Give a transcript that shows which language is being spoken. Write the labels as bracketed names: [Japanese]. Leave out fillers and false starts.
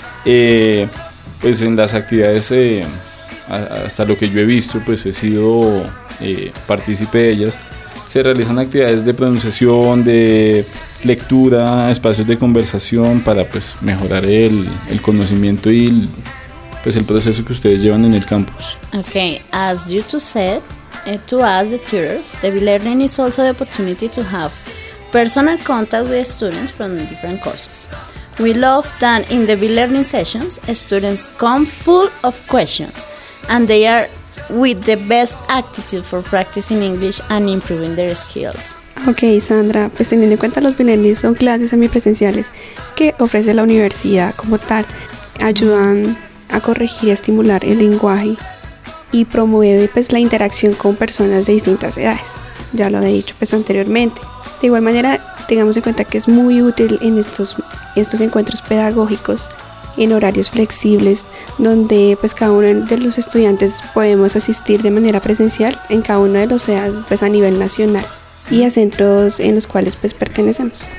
[Spanish] Pues en las actividades, hasta lo que yo he visto, pues he sido partícipe de ellas. Se realizan actividades de pronunciación, de lectura, espacios de conversación para pues mejorar el conocimiento y pues el proceso que ustedes llevan en el campus. [English] Okay, as you two said, to us the tutors, the B-Learning is also the opportunity to have personal contact with students from different courses. We love that in the B-Learning sessions, students come full of questions and they are with the best attitude for practicing English and improving their skills. [Spanish] Okay, Sandra, pues teniendo en cuenta los B-Learning son clases semipresenciales que ofrece la universidad como tal, ayudan a corregir y a estimular el lenguaje y promueve pues la interacción con personas de distintas edades. Ya lo he dicho pues anteriormente. De igual manera, tengamos en cuenta que es muy útil en estos encuentros pedagógicos en horarios flexibles, donde pues cada uno de los estudiantes podemos asistir de manera presencial en cada uno de los CEAs pues a nivel nacional y a centros en los cuales pues pertenecemos.